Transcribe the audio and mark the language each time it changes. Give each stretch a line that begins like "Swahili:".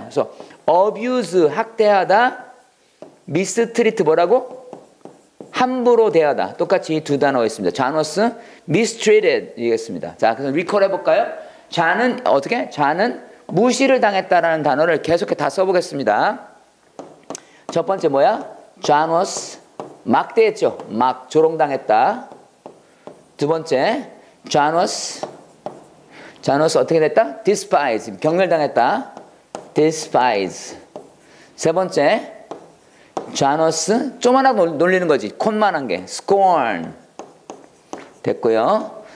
Korean: 그래서 abuse, 학대하다, 미스트리트 뭐라고? 함부로 대하다. 똑같이 두 단어가 있습니다.
English: John was mistreated.
Korean: 이겠습니다. 자, 그럼 리콜 해볼까요? 자는 어떻게? 자는 무시를 당했다라는 단어를 계속해 다 써보겠습니다. 첫 번째 뭐야?
English: John was 막대했죠.
Korean: 막 조롱당했다. 두 번째
English: John was
Korean: 어떻게 됐다?
English: Despise. 경멸당했다. Despise.
Korean: 세 번째 John was 쪼만하고 놀리는 거지. 콧만한 게. Scorn. 됐고요.